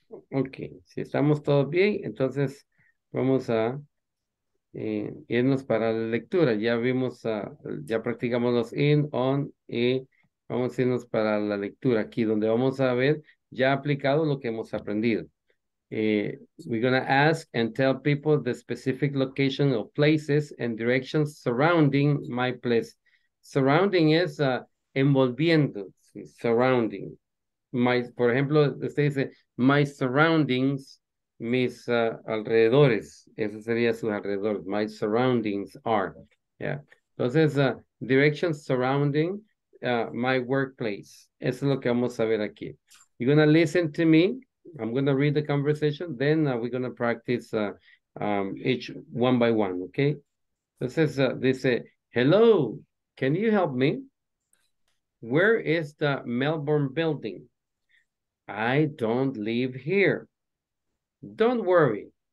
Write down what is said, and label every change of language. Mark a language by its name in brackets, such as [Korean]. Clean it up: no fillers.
[Spanish] Okay. Si estamos todos bien, entonces vamos a irnos para la lectura. Ya vimos, ya practicamos los in, on, y vamos a irnos para la lectura aquí, donde vamos a ver ya aplicado lo que hemos aprendido. [English] We're going to ask and tell people the specific location of places and directions surrounding my place. [Spanish] Surrounding es envolviendo, ¿sí? Surrounding. My, por ejemplo, usted dice, [English] my surroundings, [Spanish] mis alrededores. Eso sería su alrededor. [English] My surroundings are. [Spanish] Yeah. Entonces, [English] directions surrounding my workplace. [Spanish] Eso es lo que vamos a ver aquí. [English] You're going to listen to me. I'm going to read the conversation, then we're going to practice each one by one, okay? They say, hello, can you help me? Where is the Melbourne building? I don't live here. Don't worry.